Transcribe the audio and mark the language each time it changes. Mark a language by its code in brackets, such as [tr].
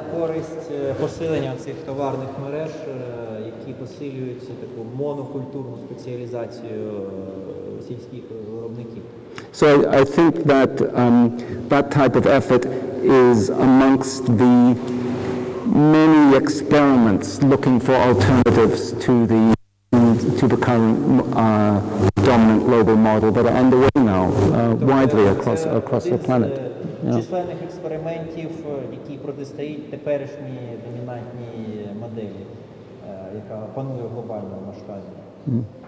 [uk] На користь посилення цих товарних мереж, які посилюються таку монокультурну спеціалізацію сільських виробників. [en] So I think that that type of effort is amongst the many experiments looking for alternatives to the current dominant global model that are underway now widely across the planet. [uk] Численних експериментів, які протистоять теперішній домінантній моделі, яка панує в глобальному масштабі.